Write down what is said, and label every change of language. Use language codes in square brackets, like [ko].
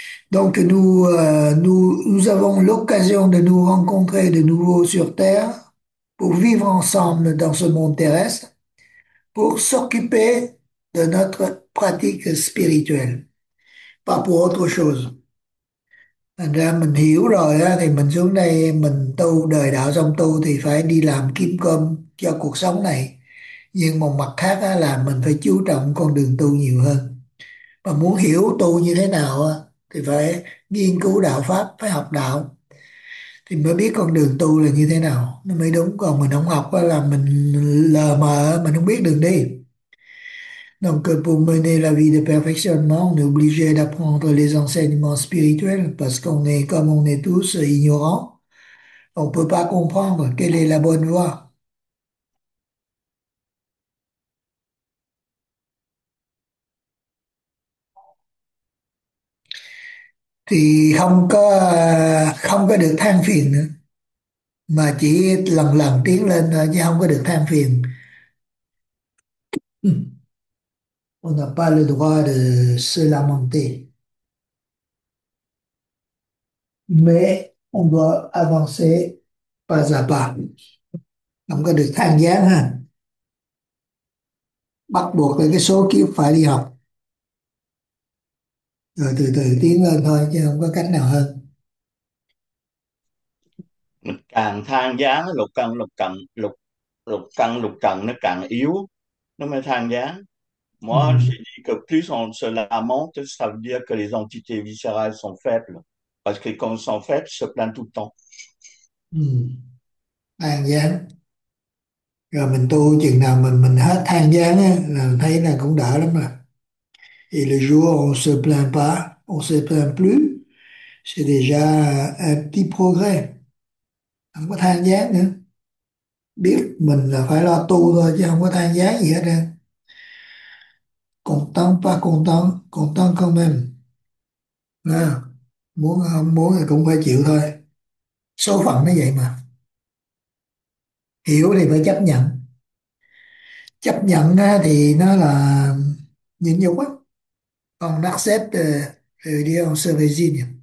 [fr] Donc nous avons l'occasion de nous rencontrer de nouveau sur Terre, pour vivre ensemble dans ce monde terrestre, pour s'occuper de notre pratique spirituelle, pas pour autre chose. [vi] Thành ra mình hiểu rồi đó, thì mình xuống đây mình tu đời đạo xong tu thì phải đi làm kiếm cơm cho cuộc sống này. Nhưng một mặt khác á, là mình phải chú trọng con đường tu nhiều hơn. Mà muốn hiểu tu như thế nào á, thì phải nghiên cứu đạo pháp, phải học đạo thì mới biết con đường tu là như thế nào nó mới đúng. Còn mình không học á, là mình lờ mờ, mình không biết đường đi. [fr] Donc, pour mener la vie de perfectionnement, on est obligé d'apprendre les enseignements spirituels parce qu'on est, comme on est tous, ignorants. On ne peut pas comprendre quelle est la bonne voie. [vi] Thì không có được than phiền nữa, mà chỉ lần lần tiến lên thôi, chứ không có được than phiền. [fr] On n'a pas le droit de se lamenter. Mais on doit avancer pas à pas. [vi] Không có được than vãn ha. Bắt buộc là cái số kiếp phải đi học. Rồi từ từ tiến lên thôi chứ không có cách nào hơn. Càng than vãn lục căn lục trần lục lục căn lục trần nó càng yếu nó mới than vãn. [fr] Moi j'ai dit que plus on se lamente, ça veut dire que les entités viscérales sont faibles, parce que quand elles sont faibles, se plaignent tout le temps. [vi] Than vãn rồi mình tu chừng nào mình hết than vãn là mình thấy là cũng đỡ lắm rồi. [fr] Et le jour on se plaint pas, on se plaint plus, c'est déjà un petit progrès. [vi] Không có than vãn nữa, biết mình là phải lo tu thôi chứ không có than vãn gì hết nữa. [fr] Content, pas content, content quand même. [vi] Nè, muốn không muốn thì cũng phải chịu thôi. Số phận nó vậy mà. Hiểu thì phải chấp nhận. Chấp nhận thì nó là nhịn nhục á. Còn accept thì đi ông sơ về gì nhỉ?